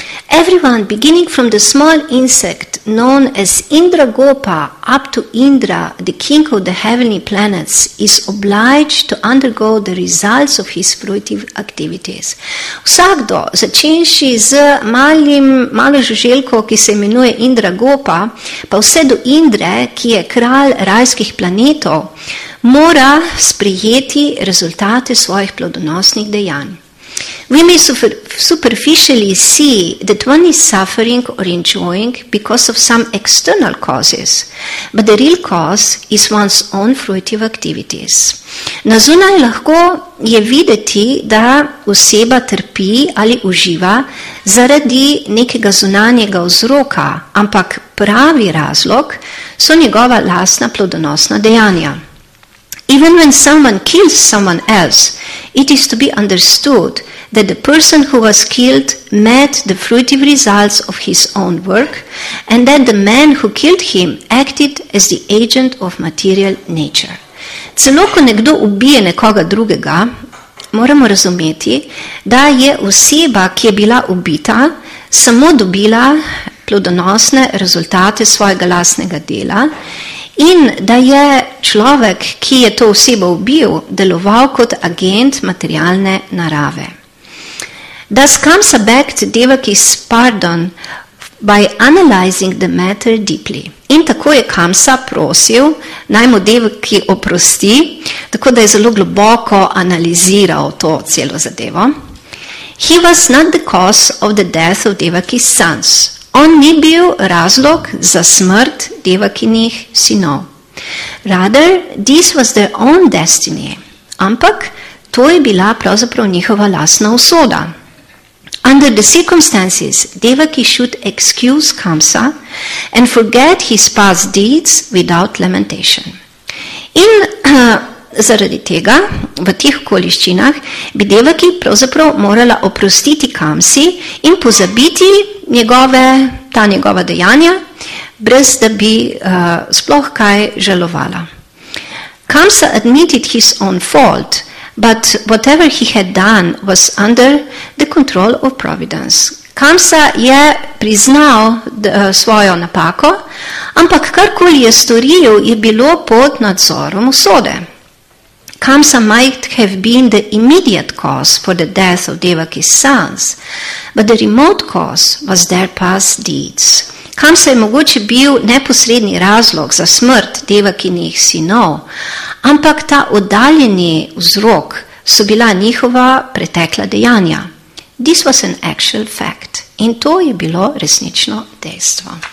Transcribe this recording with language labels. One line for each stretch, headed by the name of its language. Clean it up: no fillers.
English: Everyone, beginning from the small insect known as Indragopa up to Indra, the king of the heavenly planets, is obliged to undergo the results of his fruitive activities.
Slovenian: Vsakdo, začenši z malo žuželko, ki se imenuje Indragopa, pa vse do Indre, ki je kralj rajskih planetov, mora sprejeti rezultate svojih plodonosnih dejanj.
English: We may superficially see that one is suffering or enjoying because of some external causes, but the real cause is one's own fruitive activities.
Slovenian: Na zunaj lahko je videti, da oseba trpi ali uživa zaradi nekega zunanjega vzroka, ampak pravi razlog so njegova lastna plodonosna dejanja.
English: Even when someone kills someone else, it is to be understood that the person who was killed met the fruitive results of his own work and that the man who killed him acted as the agent of material nature.
Slovenian: Celo ko nekdo ubije nekoga drugega, moramo razumeti, da je oseba, ki je bila ubita, samo dobila plodonosne rezultate svojega lastnega dela in da je človek, ki je to osebo ubil, deloval kot agent materialne narave.
English: Das Kamsa begged Devaki's pardon by analyzing the matter deeply.
Slovenian: In tako je Kamsa prosil, naj mu Devaki oprosti, tako da je zelo globoko analiziral to celo zadevo.
English: He was not the cause of the death of Devaki's sons.
Slovenian: On ni bil razlog za smrt Devakinih sinov.
English: Rather, this was their own destiny.
Slovenian: Ampak to je bila pravzaprav njihova lastna usoda.
English: Under the circumstances, Devaki should excuse Kamsa and forget his past deeds without lamentation.
Slovenian: In zaradi tega, v teh okoliščinah, bi Devaki pravzaprav morala oprostiti Kamsi in pozabiti ta njegova dejanja, brez da bi sploh kaj žalovala.
English: Kamsa admitted his own fault, but whatever he had done was under the control of providence.
Slovenian: Kamsa je priznal svojo napako, ampak karkoli je storil, je bilo pod nadzorom usode.
English: Kamsa might have been the immediate cause for the death of Devaki's sons, but the remote cause was their past deeds.
Slovenian: Kamsa je mogoče bil neposredni razlog za smrt Devakinih sinov, ampak ta oddaljeni vzrok so bila njihova pretekla dejanja.
English: This was an actual fact.
Slovenian: In to je bilo resnično dejstvo.